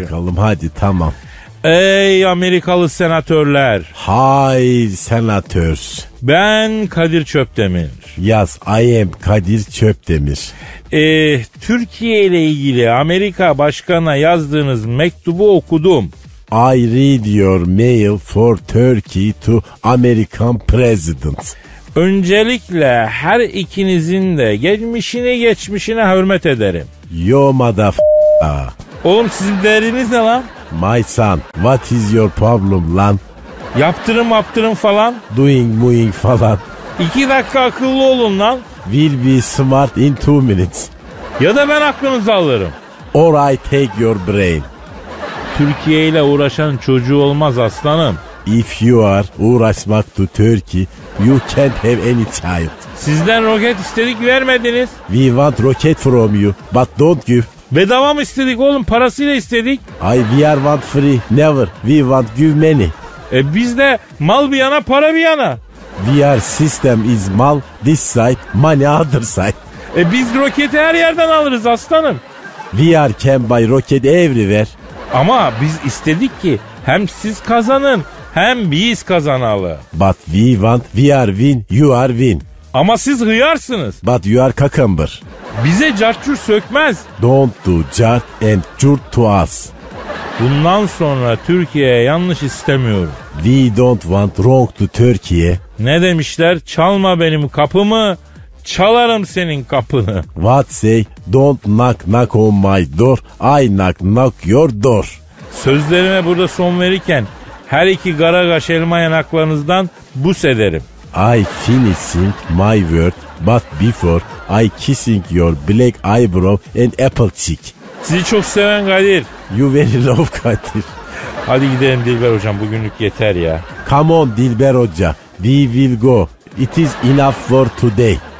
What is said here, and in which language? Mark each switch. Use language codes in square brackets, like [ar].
[tr] bakalım hadi tamam. Ey Amerikalı senatörler. [en] Hi senators. [tr] Ben Kadir Çöpdemir. [en] Yes, I am Kadir Çöpdemir. [tr] Türkiye ile ilgili Amerika Başkanı'na yazdığınız mektubu okudum. [en] I read your mail for Turkey to American President. [tr] Öncelikle her ikinizin de geçmişine hürmet ederim. [en] Yo madafa. [tr] Oğlum sizin değeriniz ne lan? [en] My son, what is your problem [tr] lan? Yaptırım yaptırım falan. [en] Doing moving [tr] falan. İki dakika akıllı olun lan. [en] Will be smart in 2 minutes. [tr] Ya da ben aklınızı alırım. [en] Or I take your brain. [tr] Türkiye ile uğraşan çocuğu olmaz aslanım. [en] If you are [tr] uğraşmak [en] to Turkey, you can't have any child. [tr] Sizden roket istedik vermediniz. [en] We want rocket from you, but don't give. [tr] Bedava mı istedik oğlum? Parasıyla istedik. [en] Ay we are want free, never. We want give money. [tr] Biz de mal bir yana, para bir yana. [en] We are system is [tr] mal, [en] this side, money other side. [tr] Biz roketi her yerden alırız aslanım. [en] We are can buy rocket everywhere. [tr] Ama biz istedik ki hem siz kazanın hem biz kazanalı. [en] But we want, we are win, you are win. [tr] Ama siz hıyarsınız. [en] But you are cucumber. [tr] Bize carçur sökmez. [en] Don't do cart and jurt to us. [tr] Bundan sonra Türkiye'ye yanlış istemiyorum. [en] We don't want wrong to Turkey. [tr] Ne demişler? Çalma benim kapımı, çalarım senin kapını. [en] What say? Don't knock knock on my door, I knock knock your door. [tr] Sözlerime burada son verirken her iki garagaş elma yanaklarınızdan bus ederim. [en] I finishing my word, but before I kissing your black eyebrow and apple cheek. [tr] Sizi çok seven Kadir. [en] You very love Kadir. [tr] Hadi gidelim Dilber hocam, bugünlük yeter ya. [en] Come on Dilber hoca, we will go. It is enough for today.